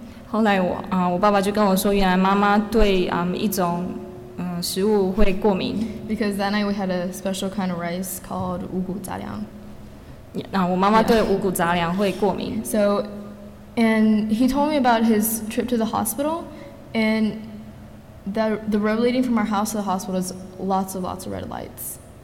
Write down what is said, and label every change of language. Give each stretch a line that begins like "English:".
Chinese: 后来我爸爸就跟我说，原来妈妈对一种食物会过敏。
English: Because that night we had a special kind of rice called 五谷杂粮。
Chinese: 我妈妈对五谷杂粮会过敏。
English: So, and he told me about his trip to the hospital, and the road leading from our house to the hospital is lots of red lights.